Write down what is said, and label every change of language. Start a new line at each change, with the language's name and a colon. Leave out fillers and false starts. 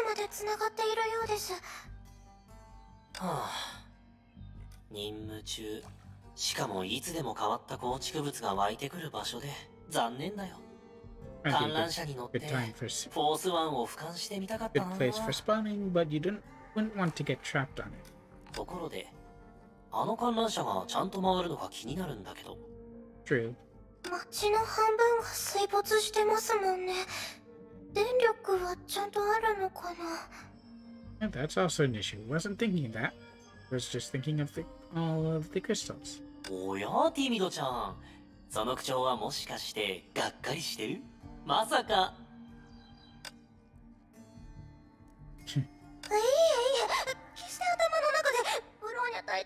Japanese: 繋がっているようです。はあ、任務中、しかもいつでも変わった構築物が湧いてくる場所で残念だよ。観覧車に乗ってフォースワンを俯瞰してみたかったのは。
English: Good place for spawning, but you wouldn't want to get trapped on it.
Japanese: ところで、あの観覧車がちゃんと回るのか気になるんだけど。
English: True.
Japanese: 街の半分が水没してますもんね。電力はちゃんとあるのかな?
English: And that's also an issue. Wasn't thinking that. Was just thinking of all of the crystals.
Japanese: おや、ティミドちゃん。その口調はもしかしてがっかりしてる? まさか。いいえ、いいえ。決して頭の中でブローニャ隊